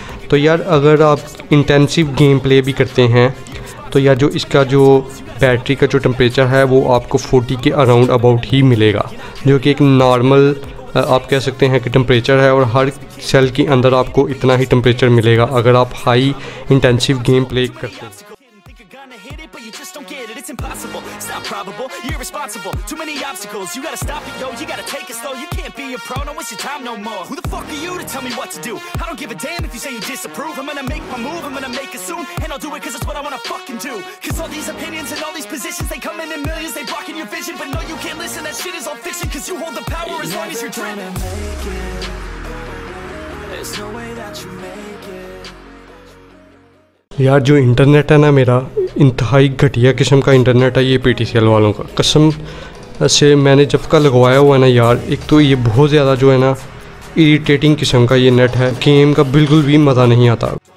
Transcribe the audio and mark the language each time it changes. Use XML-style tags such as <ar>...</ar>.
<hi>तो यार अगर आप इंटेंसिव गेम प्ले भी करते हैं तो यार जो इसका जो बैटरी का जो टेम्परेचर है वो आपको 40 के अराउंड अबाउट ही मिलेगा, जो कि एक नॉर्मल आप कह सकते हैं कि टेम्परेचर है। और हर सेल के अंदर आपको इतना ही टेम्परेचर मिलेगा अगर आप हाई इंटेंसिव गेम प्ले करते हैं।</hi> <en>It's impossible, it's not probable, you're irresponsible. Too many obstacles, you gotta stop it, yo. You gotta take it slow, you can't be a pro. No, it's your time no more. Who the fuck are you to tell me what to do? I don't give a damn if you say you disapprove. I'm gonna make my move, I'm gonna make it soon. And I'll do it cause it's what I wanna fucking do. Cause all these opinions and all these positions, they come in millions, they blocking your vision. But no, you can't listen, that shit is all fiction. Cause you hold the power as long as you're dreaming. You're never gonna make it. There's no way that you make it.</en> <hi>यार जो internet है ना मेरा, इंतहाई घटिया किस्म का internet है ये PTCL वालों का, कसम से। मैंने जब का लगवाया हुआ है ना यार, एक तो ये बहुत ज़्यादा जो है ना इरिटेटिंग किस्म का ये नेट है, गेम का बिल्कुल भी मज़ा नहीं आता।</hi>